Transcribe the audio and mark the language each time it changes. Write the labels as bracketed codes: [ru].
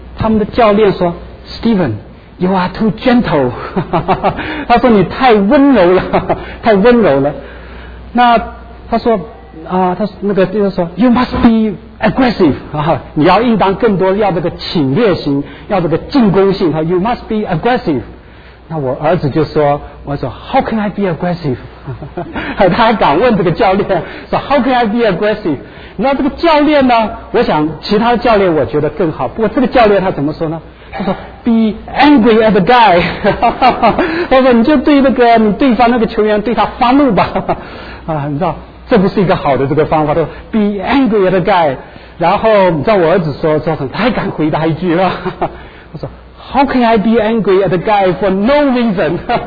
[zh] 他们的教练说 [en] Steven you are too gentle， [zh] 他说你太温柔了，太温柔了。那他说啊，他那个就是说 ， [en] you must be aggressive [zh] 啊，你要应当更多要这个侵略性，要这个进攻性哈、啊、， [en] you must be aggressive。 [zh] 那我儿子就说，我说 [en] how can I be aggressive？ [zh] 他还敢问这个教练说 [en] how can I be aggressive？ [zh] 那这个教练呢？我想其他教练我觉得更好，不过这个教练他怎么说呢？他说 [en] be angry at the guy， [zh] 他说你就对那个你对方那个球员对他发怒吧，啊，你知道。这不是一个好的这个方法，都 [en] be angry at the guy。 [zh] 然后你知道我儿子说他还敢回答一句了，他说 [en] how can I be angry at the guy for no reason，